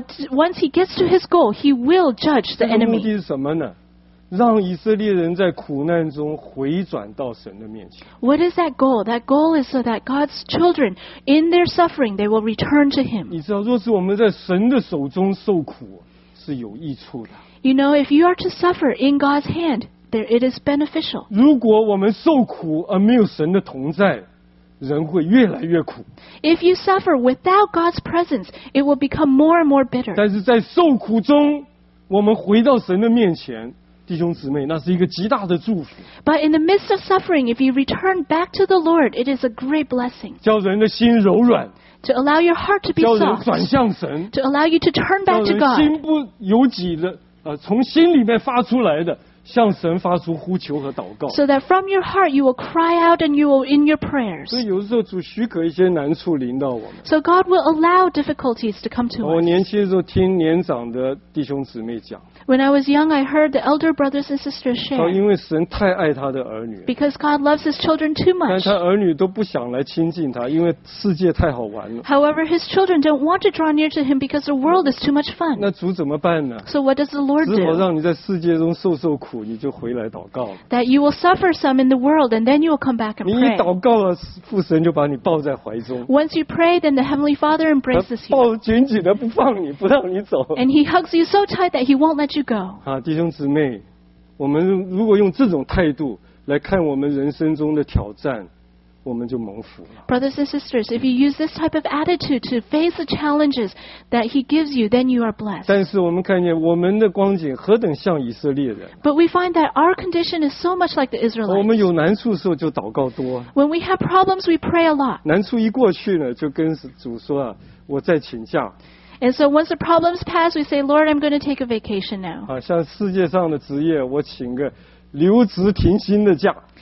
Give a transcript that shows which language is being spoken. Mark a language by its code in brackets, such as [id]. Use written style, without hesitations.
[en] Once he gets to his goal, he will judge the enemy. [zh] 这个目的是什么呢？让以色列人在苦难中回转到神的面前。 [en] What is that goal? That goal is so that God's children, in their suffering, they will return to Him. [zh] 你知道，若是我们在神的手中受苦，是有益处的。 [en] You know, if you are to suffer in God's hand, there it is beneficial. [zh] 如果我们受苦而没有神的同在，人会越来越苦。 [en] If you suffer without God's presence, it will become more and more bitter. [zh] 但是在受苦中，我们回到神的面前。弟兄姊妹，那是一个极大的祝福。 [en] But in the midst of suffering, if you return back to the Lord, it is a great blessing. [zh] 叫人的心柔软。 [en] To allow your heart to be soft. [zh] 叫人转向神。 [en] To allow you to turn back to God. [zh] 叫人心不由己的，从心里面发出来的，向神发出呼求和祷告。 [en] So that from your heart you will cry out and you will in your prayers. [zh] 所以有时候主许可一些难处临到我们。 [en] So God will allow difficulties to come to us. [zh] 我年轻的时候听年长的弟兄姊妹讲。 [en] When I was young, I heard the elder brothers and sisters share. [zh] 因为神太爱他的儿女。 [en] Because God loves his children too much. [zh] 但他儿女都不想来亲近他，因为世界太好玩了。 [en] However, his children don't want to draw near to him because the world is too much fun. [zh] 那主怎么办呢？ [en] So what does the Lord do? [zh] 只好让你在世界中受受苦，你就回来祷告。 [en] That you will suffer some in the world and then you will come back and pray. [zh] 你一祷告了，父神就把你抱在怀中。 [en] Once you pray, then the Heavenly Father embraces you. [zh] 抱紧紧的不放你，不让你走。 [en] And he hugs you so tight that he won't let you go. [zh] 弟兄姊妹，我们如果用这种态度来看我们人生中的挑战，我们就蒙福了。 [en] Brothers and sisters, if you use this type of attitude to face the challenges that he gives you, then you are blessed. [zh] 但是我们看见我们的光景何等像以色列人。 [en] But we find that our condition is so much like the Israelites. [zh] 我们有难处的时候就祷告多。 [en] When we have problems, we pray a lot. [zh] 难处一过去呢，就跟主说啊，我再请假。 [en] And so once the problems pass, we say, Lord, I'm going to take a vacation now. [zh] 像世界上的职业，我请个留职停薪的假。